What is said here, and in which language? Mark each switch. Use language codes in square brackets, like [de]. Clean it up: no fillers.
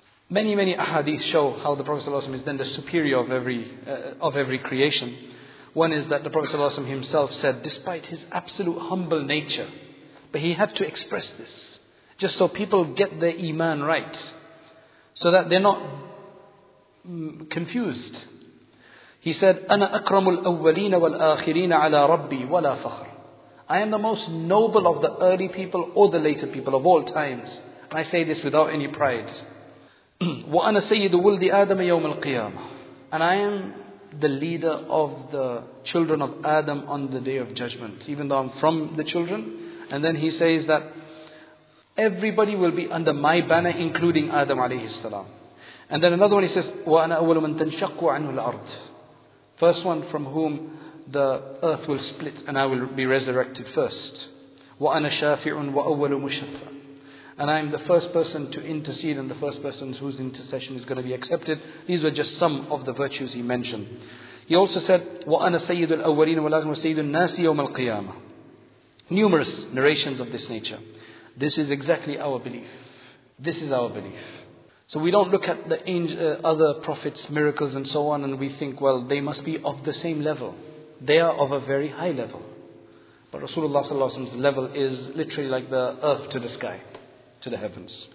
[en] Many, many ahadith show how the Prophet ﷺ is then the superior of every creation. One is that the Prophet ﷺ himself said, despite his absolute humble nature, but he had to express this, just so people get their iman right, so that they're not confused. [ar] He said, أَنَا أَكْرَمُ الْأَوَّلِينَ وَالْآخِرِينَ عَلَىٰ رَبِّي وَلَا فَخْرٍ. [en] I am the most noble of the early people or the later people of all times. And I say this without any pride. [ar] وَأَنَا سَيِّدُ وُلْدِ آدَمَ يَوْمَ الْقِيَامَةِ. [en] And I am the leader of the children of Adam on the day of judgment, even though I'm from the children. And then he says that everybody will be under my banner, including Adam alayhi salam. And then another one, he says, [ar] وَأَنَا أَوَّلُ مَنْ تَنْشَقُّ عَنْهُ الْأَرْضِ. [en] First one from whom the earth will split and I will be resurrected first. [ar] وَأَنَا شَافِعٌ وَأَوَّلُ مُشَفَّعٌ. [en] And I am the first person to intercede and the first person whose intercession is going to be accepted. These were just some of the virtues he mentioned. He also said, [ar] وَأَنَا سَيِّدُ الْأَوَّلِينَ وَالْآخِرِينَ وَسَيِّدُ النَّاسِ يَوْمَ الْقِيَامَةِ. [en] Numerous narrations of this nature. This is exactly our belief. This is our belief. So we don't look at the other prophets' miracles and so on, and we think, well, they must be of the same level. They are of a very high level. But Rasulullah's level is literally like the earth to the sky, to the heavens.